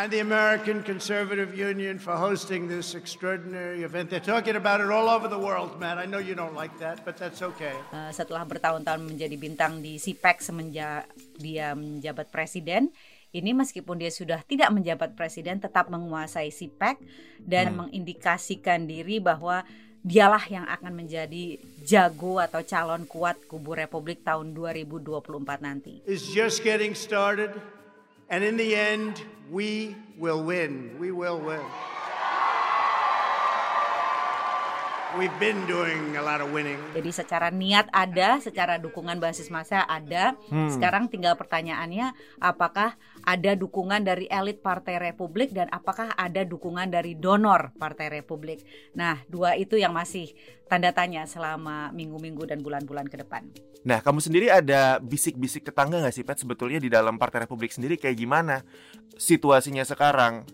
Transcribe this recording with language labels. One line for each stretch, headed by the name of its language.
English: And the American Conservative Union for hosting this extraordinary event. They're talking about it all over the world, man. I know you don't like that, but that's okay.
Indonesian: Setelah bertahun-tahun menjadi bintang di CPAC semenjak dia menjabat presiden, ini meskipun dia sudah tidak menjabat presiden, tetap menguasai CPAC dan mengindikasikan diri bahwa dialah yang akan menjadi jago atau calon kuat kubu Republik tahun 2024 nanti.
English: It's just getting started, and in the end, we will win. We will win. We've been doing a lot of winning.
Indonesian: Jadi secara niat ada, secara dukungan basis massa ada. Sekarang tinggal pertanyaannya, apakah ada dukungan dari elit Partai Republik dan apakah ada dukungan dari donor Partai Republik? Nah, dua itu yang masih tanda tanya selama minggu-minggu dan bulan-bulan ke depan. Nah, kamu sendiri ada bisik-bisik tetangga nggak sih, Pat? Sebetulnya di dalam Partai Republik sendiri kayak gimana situasinya sekarang?